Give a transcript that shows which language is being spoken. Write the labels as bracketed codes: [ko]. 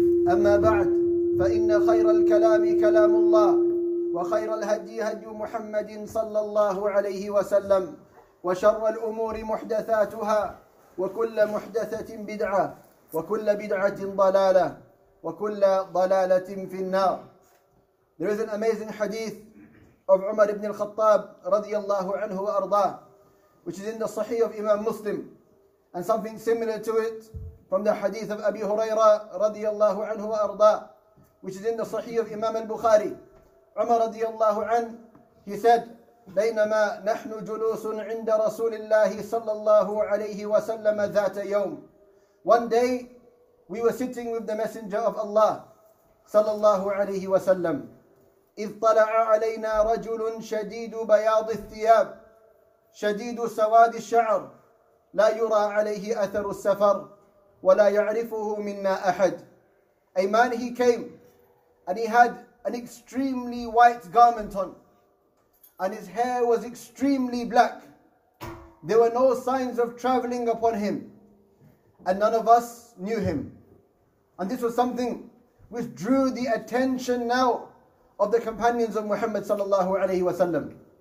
[ar] أما بعد فإن خير الكلام كلام الله وخير الهدي هدي محمد صلى الله عليه وسلم وشر الأمور محدثاتها وكل محدثة بدعة وكل بدعة ضلالة وكل ضلالة في النار. [en] There is an amazing hadith of Umar ibn al-Khattab [ar] رضي الله عنه وأرضاه, [en] which is in the Sahih of Imam Muslim, and something similar to it from the hadith of Abi Huraira رضي الله عنه وأرضاه, which is in the Sahih of Imam al-Bukhari. [ar] Umar رضي الله عنه, [en] he said, [ar] بينما نحن جلوس عند رسول الله صلى الله عليه وسلم ذات يوم. [en] One day we were sitting with the messenger of Allah [ar] صلى الله عليه وسلم. إذ طلع علينا رجل شديد بياض الثياب شديد سواد الشعر لا يرى عليه أثر السفر ولا يعرفه منا أحد. [en] A man, he came and he had an extremely white garment on, and his hair was extremely black. There were no signs of traveling upon him, and none of us knew him. And this was something which drew the attention now of the companions of Muhammad sallallahu alaihi wasallam.